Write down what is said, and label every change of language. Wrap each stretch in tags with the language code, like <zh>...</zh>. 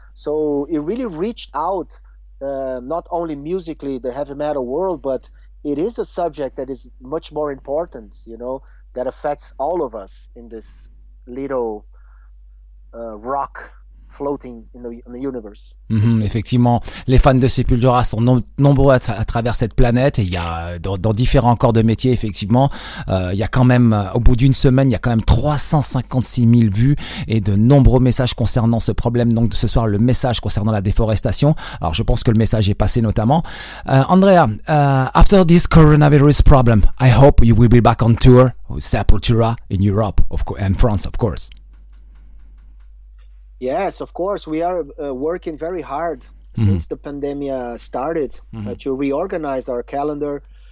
<en>So it really reached out, not only musically the heavy metal world, but it is a subject that is much more important, you know, that affects all of us in this little rock floating in the universe.</en> <fr>Effectivement, les fans de Sepultura sont nombreux à travers cette planète, et il y a dans différents corps de métier, effectivement, il y a quand même, au bout d'une semaine, il y a quand même 356 000 vues et de nombreux messages concernant ce problème. Donc ce soir, le message concernant la déforestation, alors je pense que le message est passé notamment.</fr> <en>Andrea, after this coronavirus problem, I hope you will be back on tour with Sepultura in Europe and France, of course. Yes, of course. We are working very hard since the pandemic started to reorganize our calendar.</en>